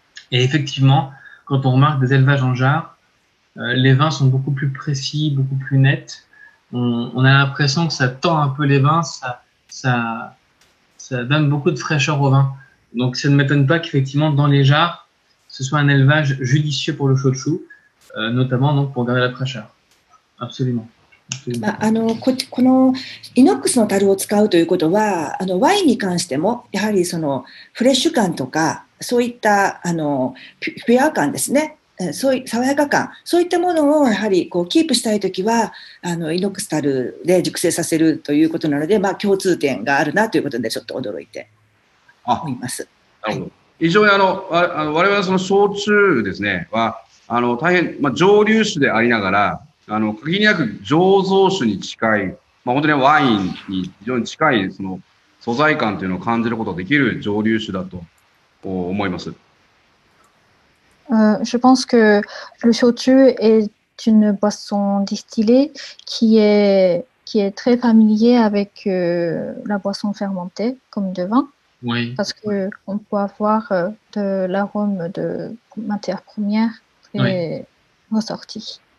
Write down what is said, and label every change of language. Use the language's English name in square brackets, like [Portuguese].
[French] Et effectivement, quand on remarque des élevages en jars, les vins sont beaucoup plus précis, beaucoup plus nets. On a l'impression que ça tend un peu les vins, ça donne beaucoup de fraîcheur au vin. Donc, ça ne m'étonne pas qu'effectivement, dans les jars, ce soit un élevage judicieux pour le shochu, notamment donc, pour garder la fraîcheur. Absolument. [Japanese] まあ、このイノックスの樽を使うということはワインに関してもやはりそのフレッシュ感とかそういったピュア感ですね、そういう爽やか感、そういったものをやはりこうキープしたいときはイノックス樽で熟成させるということなので、まあ、共通点があるなということでちょっと驚いて思います。なるほど、はい、非常に我々その焼酎ですねは大変、まあ、蒸留酒でありながら限りなく醸造酒に近い、まあ、本当にワインに非常に近いその素材感というのを感じることができる蒸留酒だと思います。 [French] Je pense que le shochu est une boisson distillée qui est très familier avec la boisson fermentée comme de vin. Oui. Parce que on peut avoir de l'arôme de matière première très ressorti.